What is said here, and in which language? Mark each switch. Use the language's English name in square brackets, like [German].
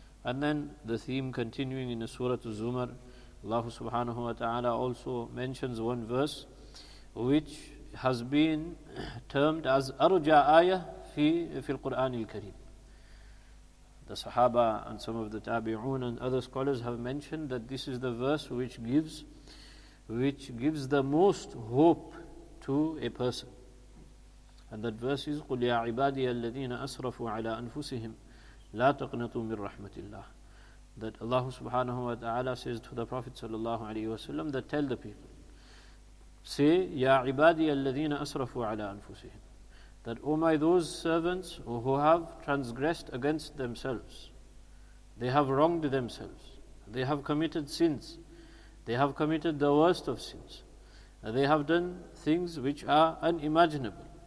[English] And then the theme continuing in the Surah Az-Zumar, Allah subhanahu wa ta'ala also mentions one verse which has been termed as [Arabic] arja ayah fi al-Qur'an al-Kareem. [English] The Sahaba and some of the Tabi'un and other scholars have mentioned that this is the verse which gives the most hope to a person. And that verse is [Arabic] قُلْ يَا عِبَادِيَ الَّذِينَ أَسْرَفُوا عَلَىٰ أَنفُسِهِمْ لَا تَقْنَطُوا مِنْ رَحْمَةِ اللَّهِ. [English] That Allah subhanahu wa ta'ala says to the Prophet sallallahu alayhi wa sallam, that tell the people, say, [Arabic] يَا عِبَادِيَ الَّذِينَ أَسْرَفُوا عَلَىٰ أَنفُسِهِمْ, [English] that O my those servants who have transgressed against themselves, they have wronged themselves, they have committed sins, they have committed the worst of sins, they have done things which are unimaginable.